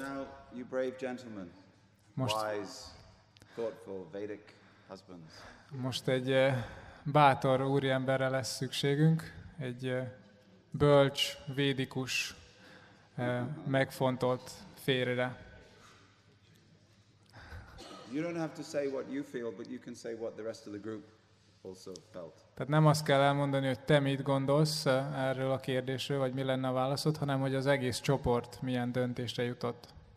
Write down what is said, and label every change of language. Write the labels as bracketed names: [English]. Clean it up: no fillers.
[English] So now, you brave gentlemen, wise, thoughtful, Vedic husbands. [Hungarian] Most egy bátor úriemberre lesz szükségünk, egy bölcs, védikus, megfontolt férjre. [English] You don't have to say what you feel, but you can say what the rest of the group also felt. [Hungarian] Tehát nem azt kell elmondani, hogy te mit gondolsz erről a kérdésről, vagy mi lenne a válaszod, hanem hogy az egész csoport milyen döntésre jutott.